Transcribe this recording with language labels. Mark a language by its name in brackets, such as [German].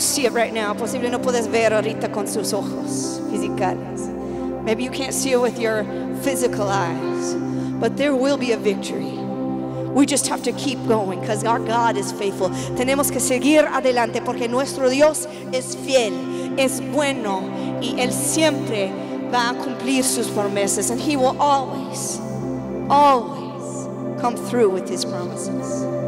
[English] Right now, [Spanish] posible no puedes ver ahorita con sus ojos físicos. [English] Maybe you can't see it with your physical eyes, but there will be a victory. We just have to keep going because our God is faithful. [Spanish] Tenemos que seguir adelante porque nuestro Dios es fiel, es bueno, y él siempre va a cumplir sus promesas. [English] And he will always, always come through with his promises.